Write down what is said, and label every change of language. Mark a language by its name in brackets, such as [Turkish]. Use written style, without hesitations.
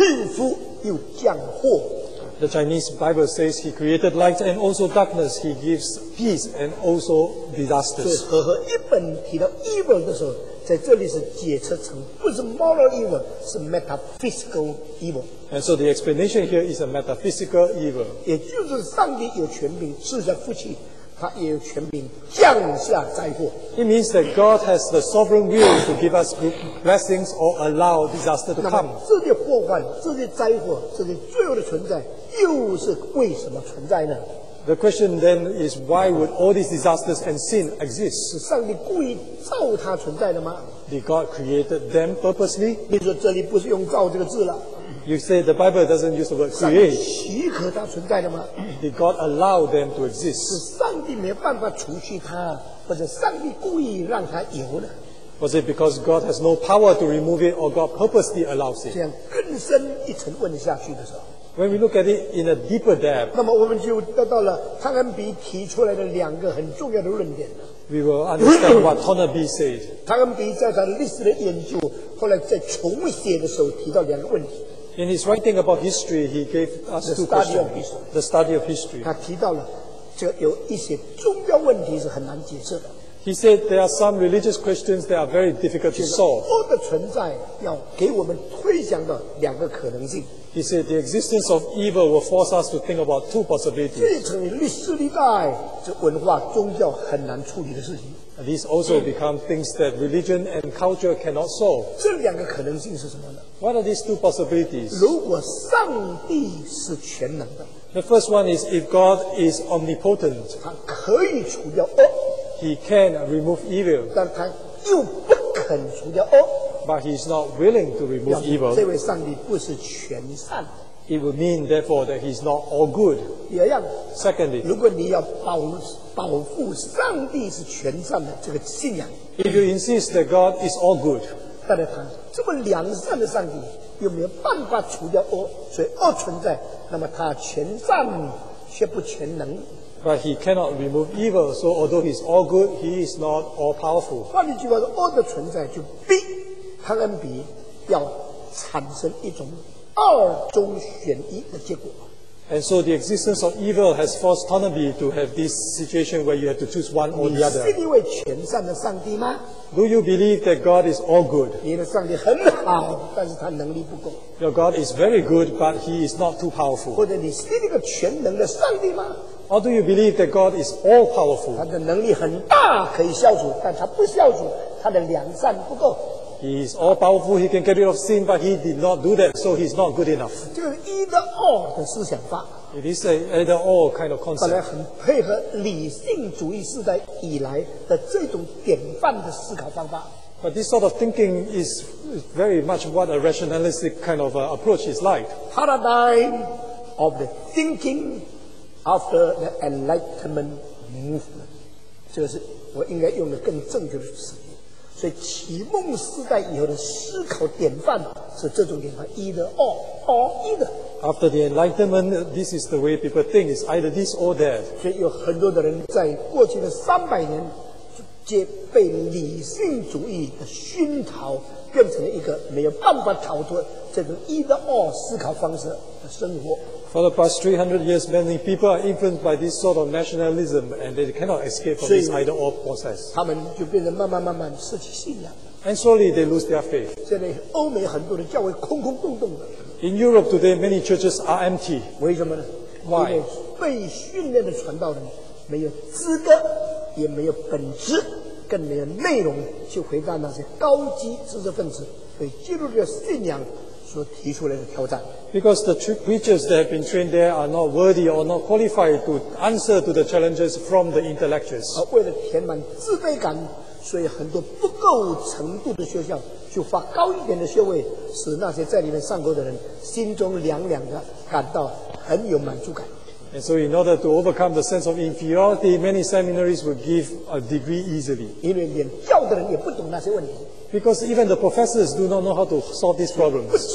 [Chinese] 就给我们看到，上帝说：“我造光又造暗，我赐福又降祸。” [English] The Chinese Bible says he created light and also darkness. He gives peace and also disasters. [Chinese] 所以和合一本提到evil的时候, 在这里是解释成不是 [English] moral evil, [Chinese] 是 [English] metaphysical evil. And so the explanation here is a metaphysical evil. [Chinese] 也就是上帝有权柄赐下福气, 他也有权柄降下灾祸。 [English] It means that God has the sovereign will to give us good blessings or allow disaster to come. [Chinese] 这些祸患、这些灾祸、这些罪恶的存在，又是为什么存在呢？ [English] The question then is, why would all these disasters and sin exist? [Chinese] 是上帝故意造它存在的吗？ [English] Did God create them purposely? [Chinese] 你说这里不是用造这个字了。 [English] You say the Bible doesn't use the word create. [Chinese] 上帝许可它存在的吗？ [English] Did God allow them to exist? [Chinese] 是上帝没办法除去它，或者上帝故意让它有的。 [English] Was it because God has no power to remove it, or God purposely allows it? [Chinese] 这样更深一层问下去的时候， [English] When we look at it in a deeper depth, [Chinese] 那么我们就得到了汤恩比提出来的两个很重要的论点。 [English] We will understand what Tonnerby said. [Chinese] 汤恩比在他历史的研究，后来在重写的时候提到两个问题。 [English] In his writing about history, he gave us two questions. The study of history. [Chinese] 他提到了这有一些宗教问题是很难解释的。 [English] He said there are some religious questions that are very difficult to solve. [Chinese] 恶的存在要给我们推想到两个可能性。 [English] He said the existence of evil will force us to think about two possibilities. [Chinese] 这成为历史历代这文化宗教很难处理的事情。 [English] And these also become things that religion and culture cannot solve. [Chinese] 这两个可能性是什么呢？ [English] What are these two possibilities? [Chinese] 如果上帝是全能的。 [English] The first one is if God is omnipotent. [Chinese] 他可以除掉恶。 [English] He can remove evil. [Chinese] 但他又不肯除掉恶。 [English] But he is not willing to remove evil. [Chinese] 这位上帝不是全善。 [English] It would mean, therefore, that he is not all good. [Chinese] 第二样。 [English] Secondly, [Chinese] 如果你要保护上帝是全善的这个信仰。 [English] If you insist that God is all good, [Chinese] 但是他这么良善的上帝又没有办法除掉恶，所以恶存在，那么他全善却不全能。 [English] But he cannot remove evil, so although he is all good, he is not all powerful. [Chinese] 换句话说，恶的存在就必汤恩比要产生一种二中选一的结果。 [English] And so the existence of evil has forced Tonnerby to have this situation where you have to choose one or the other. [Chinese] 你是一位全善的上帝吗？ [English] Do you believe that God is all good? [Chinese] 你的上帝很好，但是他能力不够。 [English] Your God is very good, but he is not too powerful. [Chinese] 或者你是一个全能的上帝吗？ [English] Or do you believe that God is all powerful? [Chinese] 他的能力很大，可以消除，但他不消除，他的良善不够。 [English] He is all powerful, he can get rid of sin, but he did not do that, so he's not good enough. [Chinese] 这个 [English] either or [Chinese] 的思想法。 [English] It is an either or kind of concept. [Chinese] 本来很配合理性主义时代以来的这种典范的思考方法。 [English] But this sort of thinking is very much what a rationalistic kind of approach is like. Paradigm of the thinking after the Enlightenment movement. [Chinese] 这是我应该用的更正确的词。所以启蒙时代以后的思考典范是这种典范 [English] either or or either after the enlightenment this is the way people think it's either this or that [Chinese] 所以有很多的人在过去的三百年皆被理性主义的熏陶变成了一个没有办法逃脱这种 [English] either or [Chinese] 思考方式的生活 [English] for the past 300 years many people are influenced by this sort of nationalism and they cannot escape from this either or process [Chinese] 他们就变成慢慢慢慢失去信仰 [English] and slowly they lose their faith [Chinese] 现在欧美很多的教会空空洞洞的 [English] in Europe today many churches are empty [Chinese] 为什么呢 [English] why [Chinese] 因为被训练的传道人没有资格也没有本质更没有内容去回答那些高级知识分子对基督教信仰所提出来的挑战 [English] because the preachers that have been trained there are not worthy or not qualified to answer to the challenges from the intellectuals [Chinese] 而为了填满自卑感所以很多不够程度的学校就发高一点的学位使那些在里面上课的人心中凉凉的感到很有满足感 [English] And so in order to overcome the sense of inferiority, many seminaries will give a degree easily. Because even the professors do not know how to solve these problems.